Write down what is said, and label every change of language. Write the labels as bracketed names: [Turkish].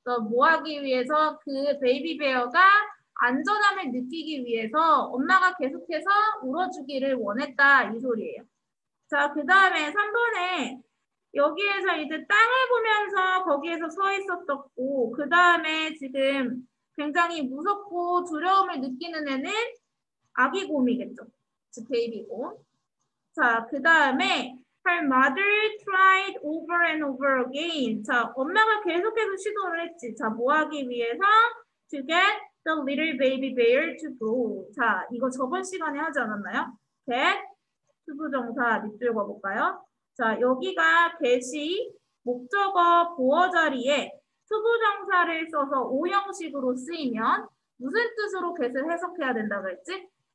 [Korean] 뭐하기 위해서 그 베이비베어가 안전함을 느끼기 위해서 엄마가 계속해서 울어주기를 원했다. 이 소리예요. 자, 그 다음에 3번에 여기에서 이제 땅을 보면서 거기에서 서 있었었고, 그 다음에 지금 굉장히 무섭고 두려움을 느끼는 애는 아기 곰이겠죠? 즉 베이비고. 자, 그 다음에 [English] her mother tried over and over again. [Korean] 자, 엄마가 계속해서 시도를 했지. 자, 뭐 하기 위해서? [English] To get the little baby bear to go. [Korean] 자, 이거 저번 시간에 하지 않았나요? get 투부정사 밑줄 봐볼까요? 자, 여기가 get이 목적어 보어 자리에 투부정사를 써서 오형식으로 쓰이면 무슨 뜻으로 get을 해석해야 된다고 했지?